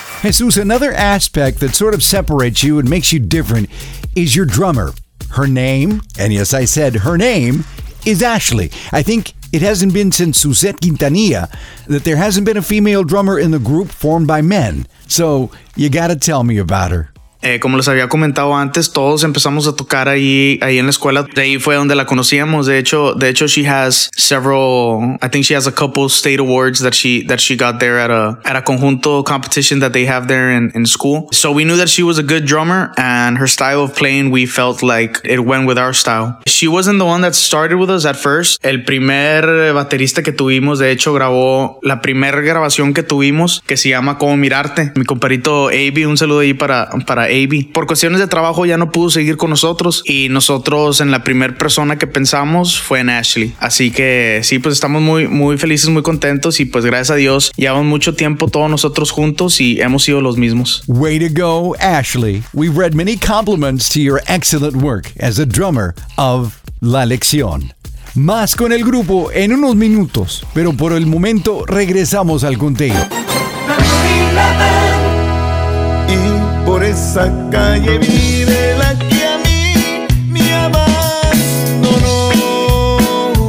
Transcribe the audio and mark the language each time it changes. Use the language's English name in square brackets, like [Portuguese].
[English] Jesus, another aspect that sort of separates you and makes you different is your drummer. Her name, and yes, I said her name, is Ashley. I think it hasn't been since Suzette Quintanilla that there hasn't been a female drummer in the group formed by men. So you gotta tell me about her. [Spanish] Como les había comentado antes, todos empezamos a tocar ahí en la escuela. De ahí fue donde la conocíamos. De hecho, [English] she has several, I think she has a couple state awards that she got there at a conjunto competition that they have there in school. So we knew that she was a good drummer, and her style of playing, we felt like it went with our style. She wasn't the one that started with us at first. [Spanish] El primer baterista que tuvimos, de hecho, grabó la primera grabación que tuvimos, que se llama Cómo Mirarte. Mi compadrito AB, un saludo ahí para AB. Por cuestiones de trabajo ya no pudo seguir con nosotros, y nosotros en la primera persona que pensamos fue en Ashley. Así que sí, pues estamos muy, muy felices, muy contentos, y pues gracias a Dios llevamos mucho tiempo todos nosotros juntos y hemos sido los mismos. [English] Way to go, Ashley. We've read many compliments to your excellent work as a drummer of La Lección. [Spanish] Más con el grupo en unos minutos, pero por el momento regresamos al conteo. Por esa calle vive la que a mí me amas, no, no.